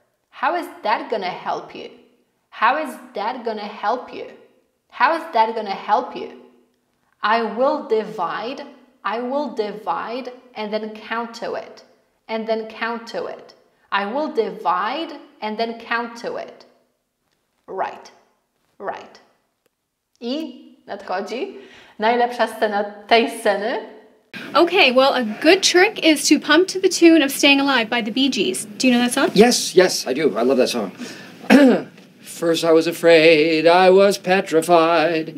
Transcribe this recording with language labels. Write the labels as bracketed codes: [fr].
[en] How is that gonna help you? How is that gonna help you? How is that gonna help you? I will divide and then count to it. And then count to it. I will divide and then count to it. Right. Right. [pl] I nadchodzi najlepsza scena tej sceny. [en] Okay, well, a good trick is to pump to the tune of Staying Alive by the Bee Gees. Do you know that song? Yes, yes, I do. I love that song. First I was afraid, I was petrified.